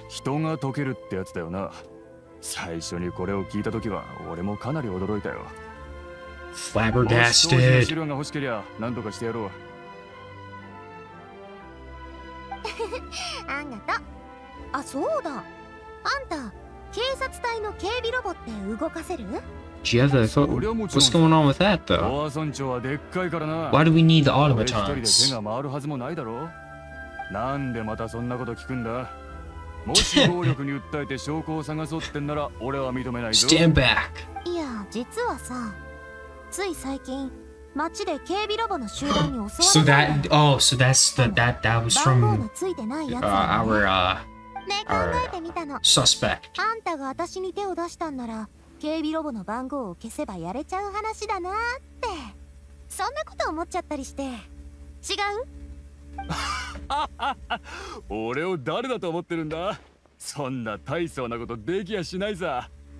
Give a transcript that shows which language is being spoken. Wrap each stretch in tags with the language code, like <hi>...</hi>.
<ja>人が解けるってやつだよな。最初にこれを聞いた時は、俺もかなり驚いたよ。</ja> <en>Flabbergasted.</en> <ja>もし資料が欲しけりゃ、何とかしてやろう。ありがとう。あ、そうだ。あんた。警察隊の警備ロボって動かせる？</ja> <en>いや、だ、そ、What's going on with that, though?</en> <ja>フォア村長はでっかいからな。</ja> <en>Why do we need the automatons?</en> <ja>一人で手が回るはずもないだろう。なんでまたそんなこと聞くんだ？もし暴力に訴えて証拠を探そうってんなら、俺は認めないぞ。</ja> <en>Stand back.</en> <ja>いや、実はさ、つい最近、街で警備ロボの集団に襲われた。</ja> <en>So that, oh, so that's the that was from our.</en> <ja>ね、考えてみたの。</ja> <en>Suspect.</en> <ja>あんたが私に手を出したんなら、警備ロボの番号を消せばやれちゃう話だなって。そんなこと思っちゃったりして。違う？俺を誰だと思ってるんだ？そんな大層なことできやしないさ。</ja>